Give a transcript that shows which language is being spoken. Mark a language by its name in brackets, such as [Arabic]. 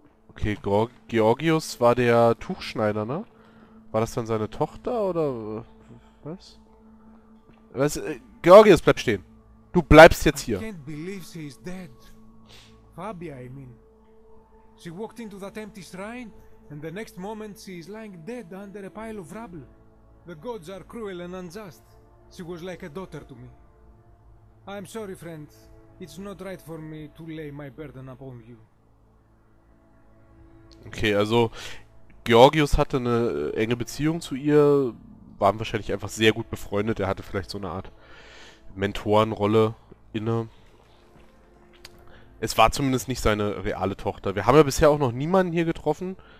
[German] Okay, Georgius war der Tuchschneider, ne? War das dann seine Tochter oder was? Was? Georgius, bleib stehen. Du bleibst jetzt [English] I [German] hier. [English] can't believe she is dead. Fabia, I mean. She walked into that empty shrine And the next moment she is lying dead under a pile of rubble. The gods are cruel and unjust. She was like a daughter to me. I'm sorry, friend. It's not right for me to lay my burden upon you. [German] Okay, also Georgios hatte eine enge Beziehung zu ihr, waren wahrscheinlich einfach sehr gut befreundet. Er hatte vielleicht so eine Art Mentorenrolle inne. Es war zumindest nicht seine reale Tochter. Wir haben ja bisher auch noch niemanden hier getroffen.